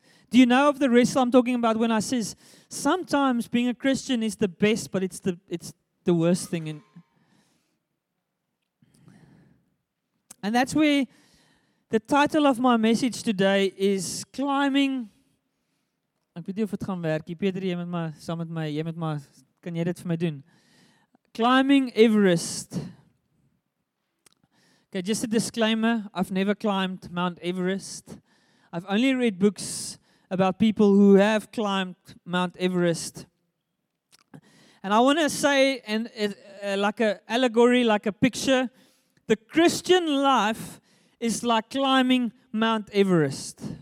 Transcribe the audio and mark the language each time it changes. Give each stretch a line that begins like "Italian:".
English: Do you know of the wrestle I'm talking about when I says sometimes being a Christian is the best, but it's the worst thing. And that's where the title of my message today is climbing.
Afrikaans: Ek weet nie of dit gaan werk. Peter, jy met my, saam met my, jy met my, kan jy dit vir my doen?
English: Climbing Everest. Okay, just a disclaimer, I've never climbed Mount Everest. I've only read books about people who have climbed Mount Everest. And I want to say, and like an allegory, like a picture, the Christian life is like climbing Mount Everest.